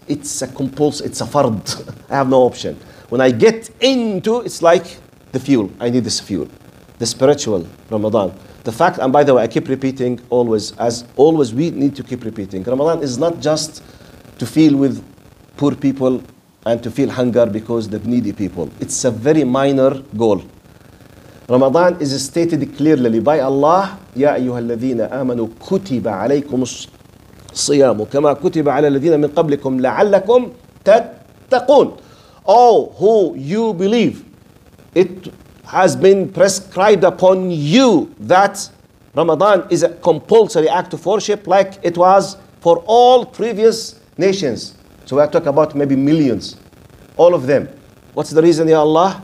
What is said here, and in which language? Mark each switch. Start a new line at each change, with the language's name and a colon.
English: It's a compulse, it's a fard. I have no option. When I get into, it's like the fuel. I need this fuel, the spiritual Ramadan. The fact, and by the way, I keep repeating always, as always we need to keep repeating, Ramadan is not just to feel with poor people and to feel hunger because the needy people. It's a very minor goal. Ramadan is stated clearly by Allah,
Arabic: يَا أَيُّهَا الَّذِينَ آمَنُوا كُتِبَ عَلَيْكُمُ الصِّيَامُ كَمَا كُتِبَ عَلَى الَّذِينَ مِنْ قَبْلِكُمْ لَعَلَّكُمْ تَتَّقُونَ.
English: All who you believe, it has been prescribed upon you that Ramadan is a compulsory act of worship like it was for all previous nations. So we are talking about maybe millions, all of them. What's the reason, Ya Allah?